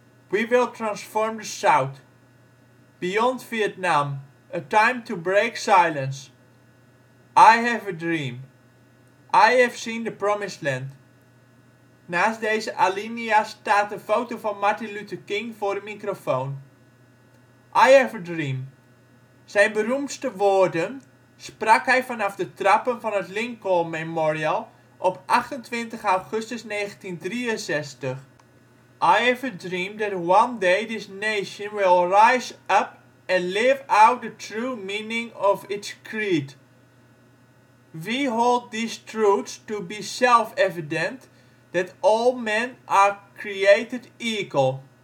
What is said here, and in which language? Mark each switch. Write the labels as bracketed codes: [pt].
[en] We will transform the South. Beyond Vietnam, a time to break silence. I have a dream. I have seen the promised land. [nl] Naast deze alinea staat een foto van Martin Luther King voor een microfoon. [en] I have a dream. [nl] Zijn beroemdste woorden sprak hij vanaf de trappen van het Lincoln Memorial op 28 augustus 1963. [en] I have a dream that one day this nation will rise up and live out the true meaning of its creed. We hold these truths to be self-evident, that all men are created equal.